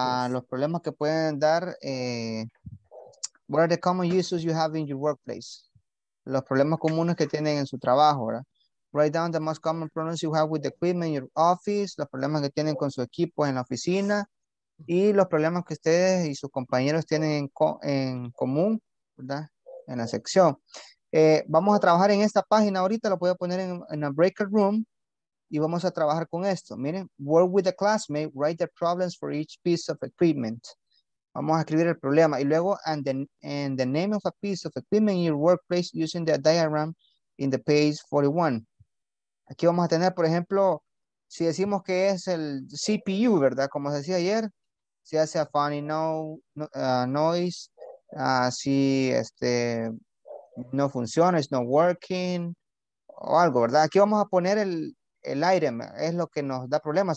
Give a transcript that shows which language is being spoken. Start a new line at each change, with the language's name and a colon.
Spanish: Los problemas que pueden dar,
English: what are the common issues you have in your workplace?
Spanish: Los problemas comunes que tienen en su trabajo, ¿verdad?
English: Write down the most common problems you have with the equipment in your office,
Spanish: los problemas que tienen con su equipo en la oficina, y los problemas que ustedes y sus compañeros tienen en común, ¿verdad? En la sección. Vamos a trabajar en esta página ahorita, lo voy a poner en
English: a breakout room.
Spanish: Y vamos a trabajar con esto. Miren,
English: work with a classmate, write the problems for each piece of equipment.
Spanish: Vamos a escribir el problema. Y luego,
English: and the name of a piece of equipment in your workplace using the diagram in the page 41.
Spanish: Aquí vamos a tener, por ejemplo, si decimos que es el CPU, ¿verdad? Como se decía ayer, si hace
English: a funny noise,
Spanish: si este, no funciona,
English: it's not working,
Spanish: o algo, ¿verdad? Aquí vamos a poner el item es lo que nos da problemas.